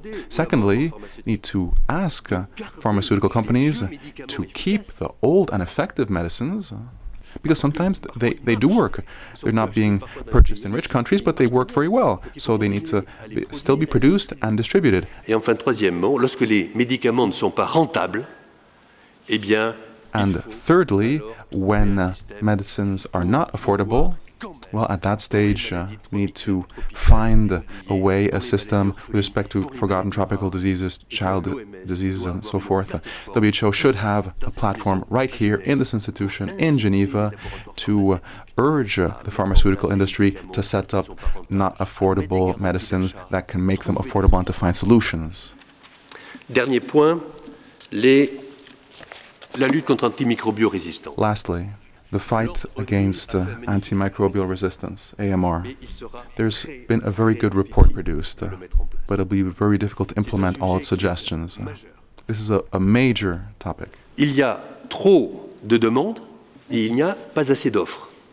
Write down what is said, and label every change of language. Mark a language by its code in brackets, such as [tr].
[en] Secondly, you need to ask pharmaceutical companies to keep the old and effective medicines, because sometimes they do work. They're not being purchased in rich countries, but they work very well. So they need to still be produced and distributed. [fr] Et enfin, troisièmement, lorsque les médicaments ne sont pas rentables, eh bien, [en] and thirdly, when medicines are not affordable, well, at that stage, we need to find a way, a system with respect to forgotten tropical diseases, child diseases, and so forth. WHO should have a platform right here in this institution in Geneva to urge the pharmaceutical industry to set up not affordable medicines that can make them affordable and to find solutions. [fr] Dernier point, la lutte contre antimicrobial [en] resistance. Lastly, the fight against antimicrobial resistance, AMR. There's been a very good report produced, but it'll be very difficult to implement all its suggestions. This is a major topic. [fr] Il y a trop de demandes et il n'y a pas assez d'offres.